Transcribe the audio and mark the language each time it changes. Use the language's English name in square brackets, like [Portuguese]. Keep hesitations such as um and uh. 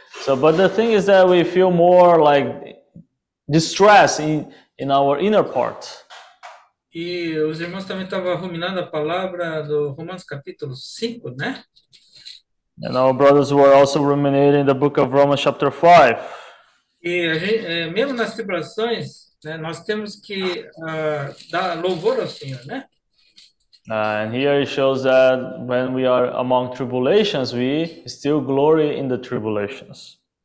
[English] So, but the thing is that we feel more like distress in in our inner part. [Portuguese] E os irmãos também estavam ruminando a palavra do Romanos capítulo 5, né? [English] And our brothers were also ruminating the book of Romans chapter 5. [Portuguese] E a gente, mesmo nas tribulações, né, nós temos que uh, dar louvor ao Senhor, né? [English] and here it shows that when we are among tribulations, we still glory in the tribulations.